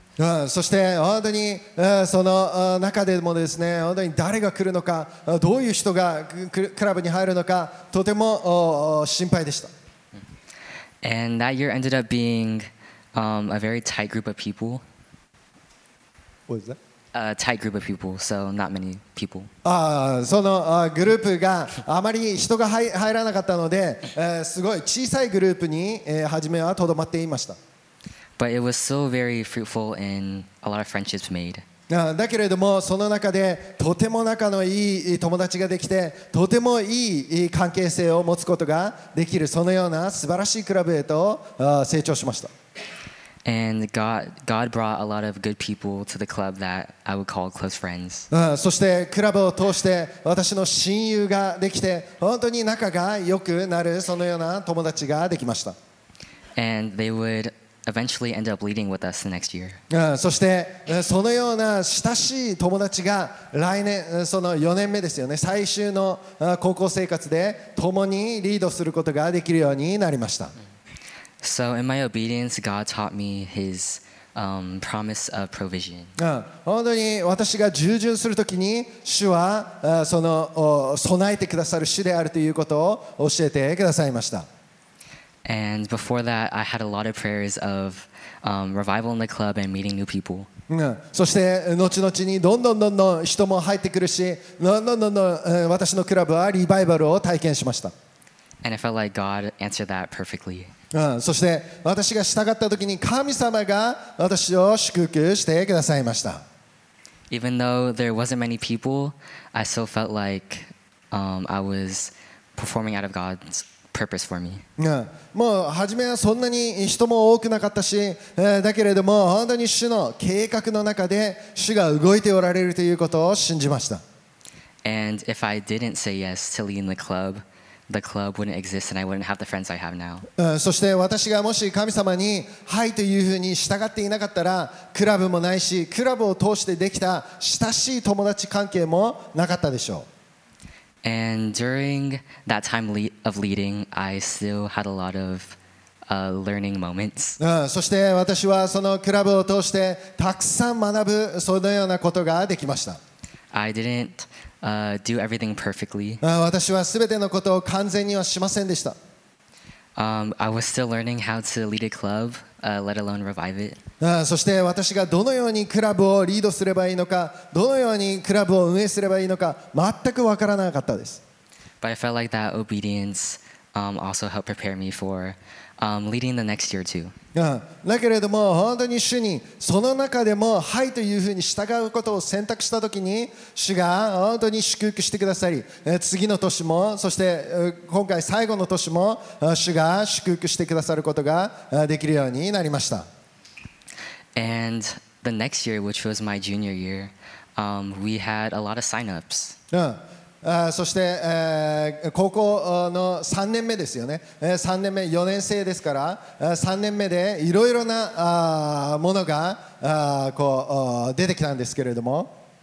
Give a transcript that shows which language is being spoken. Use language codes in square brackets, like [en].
[ja] そして本当にその中でもですね、本当に誰が来るのか、どういう人がクラブに入るのか、とても心配でした。 [en] And that year ended up being a very tight group of people. What is that? A tight group of people, so not many people. [ja] そのグループがあまり人が入らなかったので、すごい小さいグループに初めはとどまっていました。 [en] But it was so very fruitful and a lot of friendships made. [ja] だけれどもその中でとても仲のいい友達ができて、とてもいい関係性を持つことができるそのような素晴らしいクラブへと成長しました。 [en] And God brought a lot of good people to the club that I would call close friends. [ja] そしてクラブを通して私の親友ができて、本当に仲が良くなるそのような友達ができました。 [en] And they would eventually end up leading with us the next year. [ja] そしてそのような親しい友達が来年、その4年目ですよね、最終の高校生活で共にリードすることができるようになりました。 [en] So in my obedience, God taught me His promise of provision. [ja] 本当に私が従順するときに主はその備えてくださる主であるということを教えてくださいました。 [en] And before that, I had a lot of prayers of revival in the club and meeting new people. [ja] そして後々にどんどん人も入ってくるし、どんどん私のクラブはリバイバルを体験しました。 [en] And I felt like God answered that perfectly. [ja] そして私が従った時に神様が私を祝福してくださいました。 [en] Even though there wasn't many people, I still felt like I was performing out of God's purpose for me. [ja] もう初めはそんなに人も多くなかったし、だけれども本当に主の計画の中で主が動いておられるということを信じました。 [en] And if I didn't say yes to leading the club,The club wouldn't exist and I wouldn't have the friends I have now. [ja] そして私がもし神様にはいというふうに従っていなかったら、クラブもないし、クラブを通してできた親しい友達関係もなかったでしょう。 [en] And during that time of leading, I still had a lot of learning moments. [ja] そして私はそのクラブを通してたくさん学ぶそのようなことができました。 [en] I didn't. Do everything perfectly. [ja] 私は全てのことを完全にはしませんでした。 [en] I was still learning how to lead a club, let alone revive it. [ja] そして私がどのようにクラブをリードすればいいのか、どのようにクラブを運営すればいいのか、全く分からなかったです。 [en] But I felt like that obedience, also helped prepare me for, leading the next year too. [ja] だけれども本当に主にその中でもはいというふうに従うことを選択したときに、主が本当に祝福してくださり、次の年も、そして今回最後の年も主が祝福してくださることができるようになりました。 [en] And the next year, which was my junior year, we had a lot of signups. [ja] そして高校の3年目ですよね、3年目、4年生ですから、3年目でいろいろなものがこう出てきたんですけれども、